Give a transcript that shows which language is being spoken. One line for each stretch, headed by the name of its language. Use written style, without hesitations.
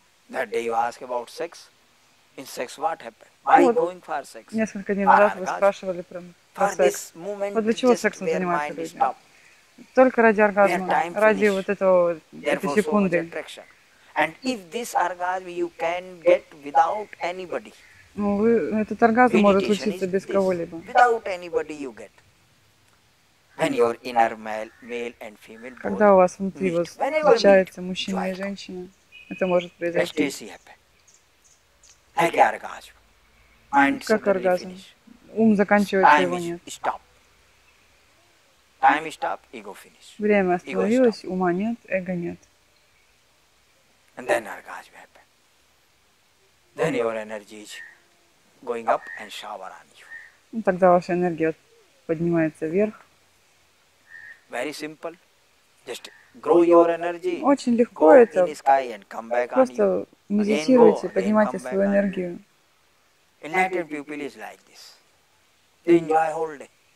English: That day you ask about sex. In sex, what happened? Why вот going for sex?
Russian: Несколько дней назад вы спрашивали про секс. Вот для чего сексом занимаются люди? Только ради оргазма, ради вот этого этой секунды.
English: And if this orgasm you can get without anybody.
Russian: Ну, вы, этот оргазм Meditation может случиться без кого-либо.
English: Without anybody you get. When your inner male and female both
Russian: когда у вас внутри
English: meet.
Russian: Встречаются мужчина meet, и женщина, это может произойти.
English: Like orgasm.
Russian: Как оргазм. Ум заканчивается,
English: time
Russian: его нет.
English: Stop. Time stop, ego finish.
Russian: Время остановилось,
English: ego stop.
Russian: Ума нет, эго нет.
English: And then orgasm happen. Then your energy is going up and shower on you.
Russian: Ну, тогда ваша энергия поднимается вверх.
English: Very simple. Just grow your energy.
Russian: Очень легко это. Просто медитируйте, поднимайте свою энергию.
English: Enlightened people is like this. They enjoy whole day.